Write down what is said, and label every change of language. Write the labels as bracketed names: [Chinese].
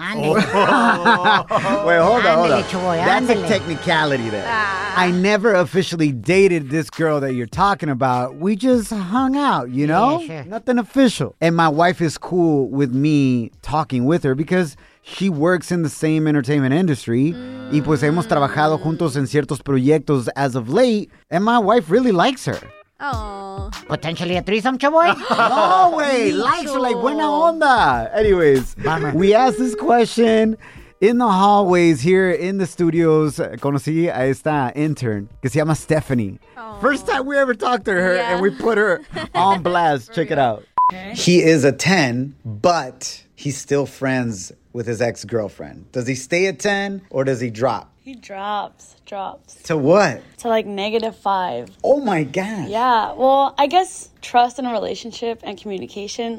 [English] Wait, hold on. That's a technicality there. I never officially dated this girl that you're talking about. We just hung out, you know? Yeah, sure. Nothing official. And my wife is cool with me talking with her because she works in the same entertainment industry. [Spanish] Y pues hemos trabajado juntos en ciertos proyectos [English] as of late. And my wife really likes her. Oh. Potentially a threesome, chavoy? No way. Likes are like [Spanish] buena onda. [English] Anyways, we asked this question in the hallways here in the studios. [Spanish] Conocí a esta intern que se llama Stephanie. [English] Aww. First time we ever talked to her, yeah. And we put her on blast. Check it out. Okay. He is a 10, but he's still friends with his ex-girlfriend. Does he stay a 10 or does he drop? He drops. To what? To like -5. Oh my gosh. Yeah. Well, I guess trust in a relationship and communication.